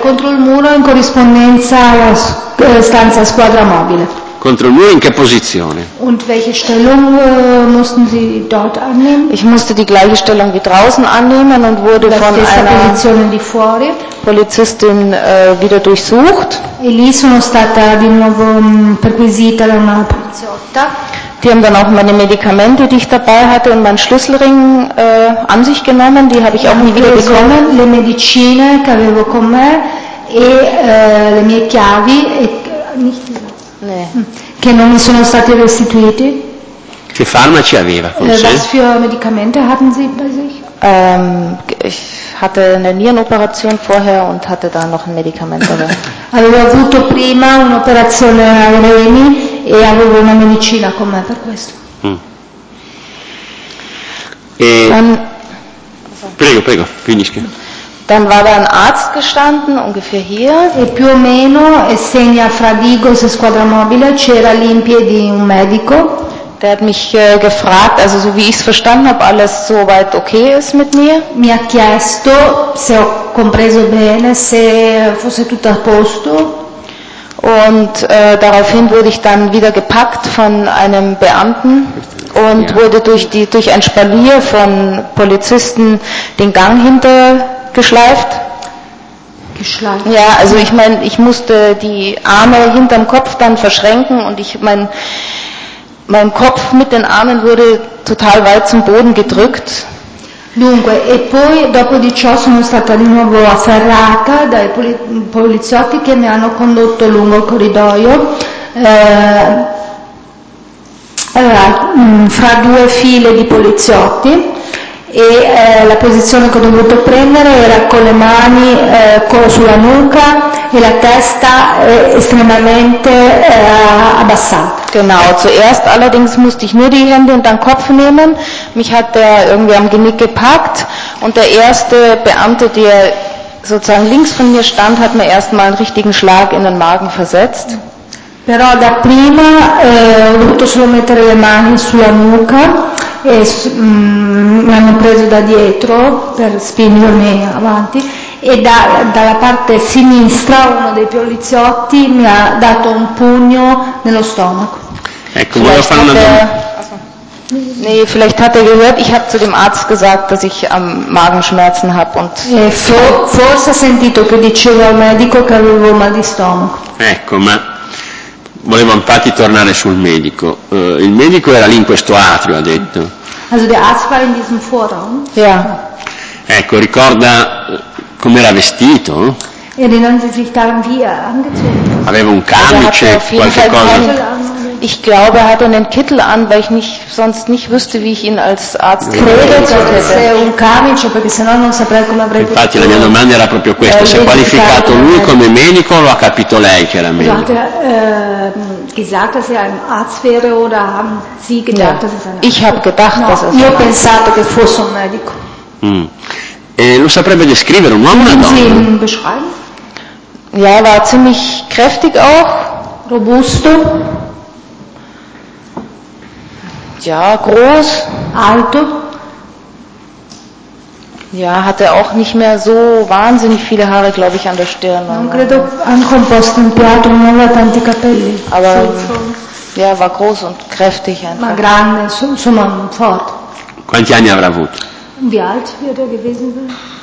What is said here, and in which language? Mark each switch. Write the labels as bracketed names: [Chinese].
[Italian] Contro il muro in corrispondenza alla stanza squadra mobile. Contro il muro in che posizione? [German] Und welche Stellung mussten Sie dort annehmen? Ich musste die gleiche Stellung wie draußen annehmen und wurde [Italian] la [German] von einer [Italian] Position di fuori. [German] Polizistin wieder durchsucht. [Italian] E lì sono stata di nuovo perquisita da una poliziotta. [German] Die haben dann auch meine Medikamente, die ich dabei hatte, und meinen Schlüsselring an sich genommen. Die habe ich auch nie wieder bekommen. [Italian] Le medicine che avevo con me e le mie chiavi e [German] nicht Nee. [Italian] Che non mi sono stati restituiti. Che farmaci aveva? [German] Was für Medikamente hatten Sie bei sich? Ich hatte eine Nierenoperation vorher und hatte da noch ein Medikament dabei. [Italian] Avevo avuto prima un'operazione ai reni e avevo una medicina con me per questo. Prego, prego, finisca. [German] Dann war da ein Arzt gestanden, ungefähr hier. [Italian] E più o meno, essendo a Fradigos squadra mobile, c'era lì in piedi un medico. [German] Der hat mich gefragt, also so wie ich es verstanden habe, alles soweit okay ist mit mir. [Italian] Mi ha chiesto se ho compreso bene, se fosse tutto a posto. [German] Und daraufhin wurde ich dann wieder gepackt von einem Beamten und wurde durch ein Spalier von Polizisten den Gang hinter geschleift. Ja, also ich meine, ich musste die Arme hinterm Kopf dann verschränken und mein Kopf mit den Armen wurde total weit zum Boden gedrückt. [Italian] Dunque, e poi dopo di ciò sono stata di nuovo afferrata dai poliziotti che mi hanno condotto lungo il corridoio. Allora, fra due file di poliziotti. E la posizione che ho dovuto prendere era con le mani sulla nuca e la testa estremamente abbassata. [German] Genau, zuerst allerdings musste ich nur die Hände und dann Kopf nehmen. Mich hat der irgendwie am Genick gepackt und der erste Beamte, der sozusagen links von mir stand, hat mir erstmal einen richtigen Schlag in den Magen versetzt. [Italian] Però da prima ho dovuto solo mettere le mani sulla nuca e mi hanno preso da dietro per spingermi avanti e dalla parte sinistra uno dei poliziotti mi ha dato un pugno nello stomaco. Ecco, volevo fare una domanda. [German] Nee, vielleicht hat er gehört, ich habe zu dem Arzt gesagt, dass ich Magenschmerzen habe und [Italian] forse ha sentito che dicevo al medico che avevo mal di stomaco. Ecco, ma volevo infatti tornare sul medico. Il medico era lì in questo atrio, ha detto. [German] Also der Arzt war in diesem Vorraum. Ja. [Italian] Ecco, ricorda com'era vestito? [German] Erinnern Sie sich daran, wie er angezogen? [Italian] Aveva un camice, qualche cosa. [German] Ich glaube, er hatte einen Kittel an, weil ich sonst nicht wüsste, wie ich ihn als Arzt [Italian] credere. Infatti, la mia domanda era proprio questa: si è qualificato lui come medico o lo ha capito lei che era medico? [German] Gesagt, dass er ein Arzt wäre oder haben Sie gedacht, dass es ein Arzt? Ich habe gedacht, dass es. [Italian] Io ho pensato che fosse un medico. E lo saprebbe descrivere un uomo o una donna? [German] Sie ihn beschreiben? Ja, er war ziemlich kräftig auch, [Italian] robusto. [German] Ja, groß, [Italian] alto. [German] Ja, hatte auch nicht mehr so wahnsinnig viele Haare, glaube ich, an der Stirn. [Italian] Non credo anche un po' stempiato, non aveva tanti capelli. [German] Aber ja, war groß und kräftig einfach. [Italian] Ma grande, insomma, fort. Quanti anni avrà avuto? [German] Wie alt wird er gewesen sein?